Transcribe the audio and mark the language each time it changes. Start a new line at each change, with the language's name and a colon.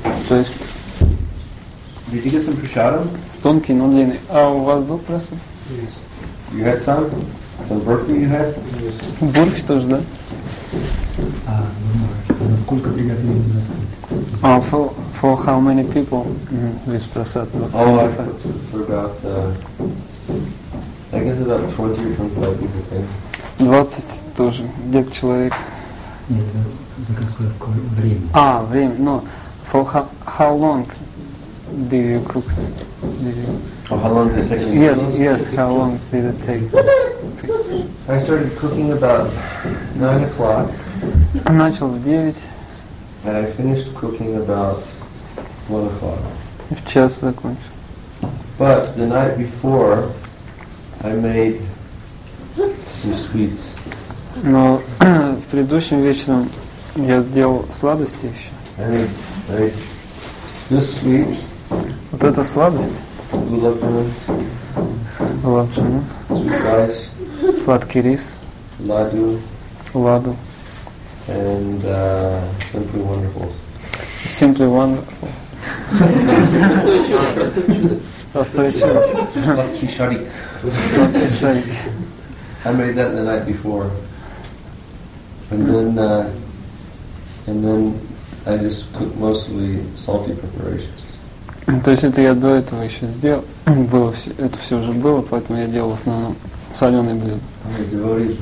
English: Did you get some prasadam?
Russian: Тонкий, но длинный. А у вас был прасад?
English: Yes. You had some? Some burfi you had? Yes.
Russian: Burfi тоже, да? А, за сколько приготовили прасад?
English: For how many people this prasad? Oh, I put for about, I guess about 20 or 25 people, okay?
Russian: 20 тоже, где-то человек. Нет, за какое время? А, время, но
English: for how long did you cook? Did you... Oh, how long did it take? Yes, how long did it take? I started cooking about 9 o'clock.
Russian: Начал в 9.
English: And I finished cooking about 1 o'clock.
Russian: И в час закончил.
English: But the night before I made some sweets.
Russian: Но предыдущим вечером я сделал сладости еще. Вот эта сладость. Лапшина. Сладкий рис. Ладу. Ладу.
English: And simply wonderful. Simply wonderful.
Russian: Просто чудо. Сладкий шарик. Сладкий шарик.
English: I made that the night before. And then I just cooked mostly salty preparations.
Russian: То есть это я до этого еще сделал, было все, это все уже было, поэтому я делал в основном соленые блюда.